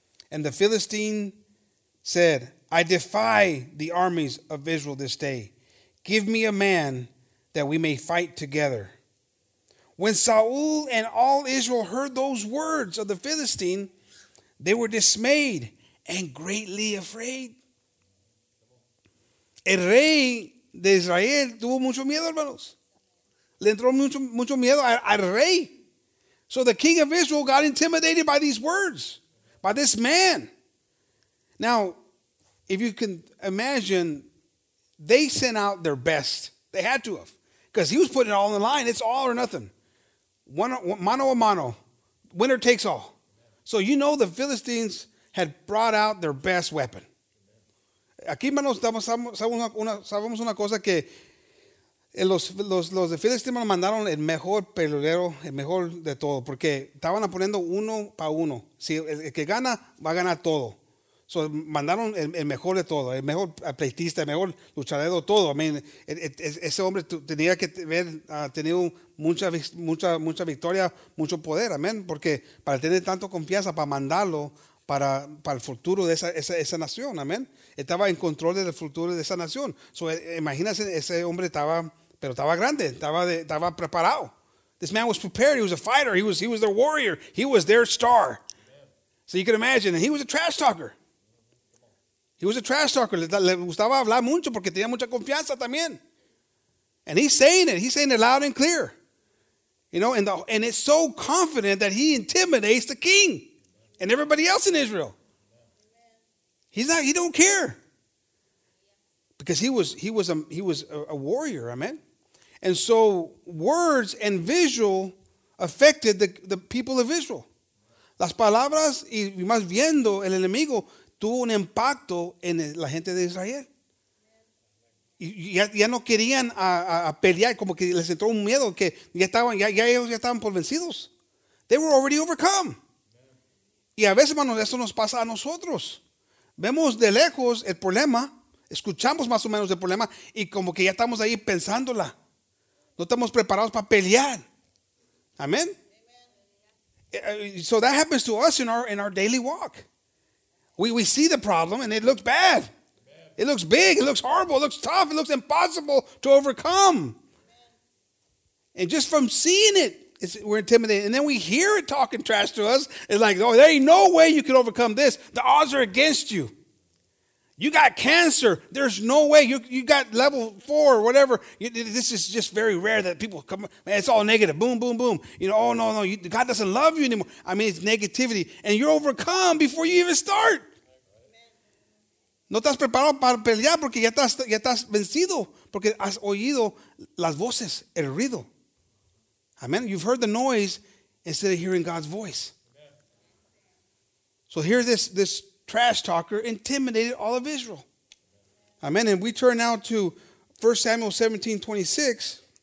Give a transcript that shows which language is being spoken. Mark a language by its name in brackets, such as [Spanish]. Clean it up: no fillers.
[English] And the Philistine said, I defy the armies of Israel this day. Give me a man that we may fight together. When Saul and all Israel heard those words of the Philistine, they were dismayed and greatly afraid. [Spanish] El rey de Israel tuvo mucho miedo, hermanos. Le entró mucho miedo al rey. [English] So the king of Israel got intimidated by these words, by this man. Now, if you can imagine, they sent out their best. They had to have, because he was putting it all on the line. It's all or nothing. [Spanish] Mano a mano. [English] Winner takes all. So you know the Philistines had brought out their best weapon. [Spanish] Aquí, hermanos, sabemos una cosa, que los de Filisteos mandaron el mejor pelotero, el mejor de todo, porque estaban poniendo uno para uno. Si el que gana, va a ganar todo. So, mandaron el mejor de todo, el mejor atletista, el mejor luchador, todo. [English] I mean, [Spanish] ese hombre tenía que haber tenido mucha victoria, mucho poder, amén, porque para tener tanto confianza para mandarlo para el futuro de esa nación, amén. Estaba en control del futuro de esa nación. So, imagínense, ese hombre estaba grande, estaba preparado. [English] This man was prepared. He was a fighter. He was their warrior. He was their star. Amen. So you can imagine. And he was a trash talker. He was a trash talker. [Spanish] Le gustaba hablar mucho porque tenía mucha confianza también. [English] And he's saying it. He's saying it loud and clear. You know, and it's so confident that he intimidates the king and everybody else in Israel. He don't care. Because he was a warrior, amen. And so words and visual affected the people of Israel. [Spanish] Las palabras y más viendo el enemigo tuvo un impacto en la gente de Israel. Ya no querían a pelear, como que les entró un miedo que ya estaban por vencidos. [English] They were already overcome. [Spanish] Y a veces, hermanos, eso nos pasa a nosotros. Vemos de lejos el problema, escuchamos más o menos el problema y como que ya estamos ahí pensándola. No estamos preparados para pelear. Amén. [English] So that happens to us in our daily walk. We see the problem and it looks bad. It looks big, it looks horrible, it looks tough, it looks impossible to overcome. And just from seeing it, we're intimidated. And then we hear it talking trash to us. It's like, oh, there ain't no way you can overcome this. The odds are against you. You got cancer. There's no way. You got level 4 or whatever. This is just very rare that people come. Man, it's all negative. Boom, boom, boom. You know, oh, no. God doesn't love you anymore. I mean, it's negativity. And you're overcome before you even start. [Spanish] No estás preparado para pelear porque ya estás vencido. Porque has oído las voces, el ruido. Amen. [English] You've heard the noise instead of hearing God's voice. So here this trash talker intimidated all of Israel. Amen. And we turn now to 1 Samuel 17:26.